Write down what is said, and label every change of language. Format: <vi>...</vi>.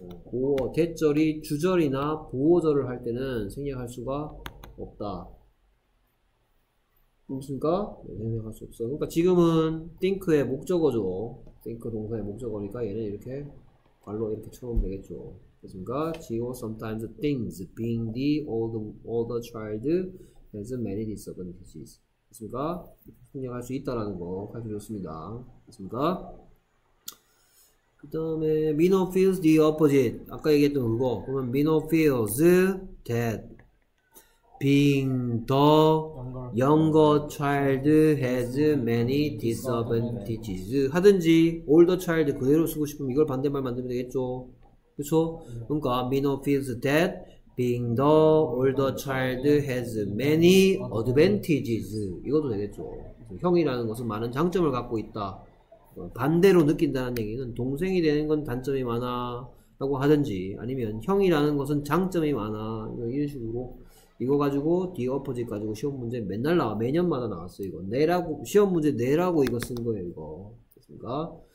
<ko>보어, 대절이 주절이나 보어절을 할 때는 생략할 수가 없다. 무슨가? 생략할 수 없어. 그러니까 지금은 think의 목적어죠. think 동사의 목적어니까 얘는 이렇게 발로 이렇게 쳐놓으면 되겠죠. 무슨가?</ko> <en>Geo sometimes thinks being the older child has many disadvantages.</en> <ko>무슨가? 생략할 수 있다라는 거 가르쳐줬습니다. 무슨가? 그 다음에</ko> <en>Mino feels the opposite.</en> <ko>아까 얘기했던 그거. 그러면</ko> <en>Mino feels that being the younger child has many disadvantages</en> <ko>하든지</ko> <en>older child</en> <ko>그대로 쓰고 싶으면 이걸 반대말 만들면 되겠죠. 그쵸? 그러니까</ko> <en>Mino feels that being the older child has many advantages.</en> <ko>이것도 되겠죠. 형이라는 것은 많은 장점을 갖고 있다. 반대로 느낀다는 얘기는 동생이 되는 건 단점이 많아 라고 하든지 아니면 형이라는 것은 장점이 많아 이런 식으로 이거 가지고</ko> <en>the opposite</en> <ko>가지고 시험 문제 맨날 나와 매년마다 나왔어 이거 내라고 시험 문제 내라고 이거 쓴 거예요 이거 됐습니까?</ko>